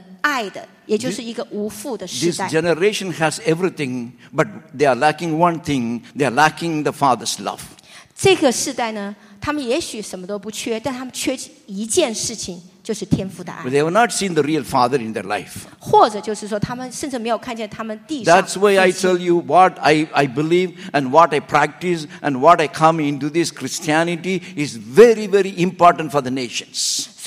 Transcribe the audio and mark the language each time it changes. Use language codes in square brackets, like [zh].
[zh] 在未来，也许20年、30年，你会看见越来越多的人，他们在兴起的时候，他们是没有任何的爱的，也就是一个无父的时代。 [en] This generation has everything, but they are lacking one thing. They are lacking the Father's love. [zh] 这个时代呢，他们也许什么都不缺，但他们缺一件事情。 [en] They have not seen the real Father in their life. [zh] 或者就是说，他们甚至没有看见他们地上。 [en] That's why I tell you what I believe and what I practice and what I come into this Christianity is very, very important for the nations.